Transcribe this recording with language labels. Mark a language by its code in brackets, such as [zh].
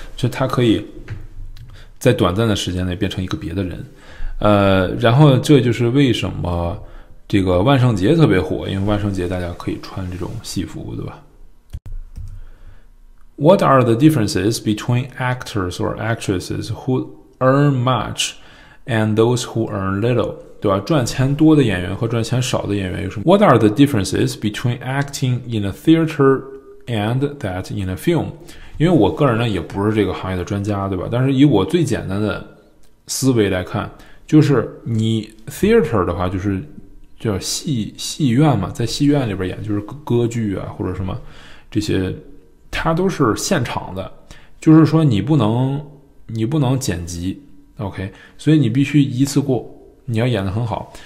[zh] 就他可以在短暂的时间内变成一个别的人，然后这就是为什么这个万圣节特别火，因为万圣节大家可以穿这种戏服，对吧？ [en] What are the differences between actors or actresses who earn much and those who earn little？ [zh] 对吧？赚钱多的演员和赚钱少的演员有什么？ [en] What are the differences between acting in a theater and that in a film？ [zh] 因为我个人呢也不是这个行业的专家，对吧？但是以我最简单的思维来看，就是你 theater 的话就是叫戏院嘛，在戏院里边演就是歌剧啊或者什么这些，它都是现场的，就是说你不能剪辑 ,OK, 所以你必须一次过，你要演得很好。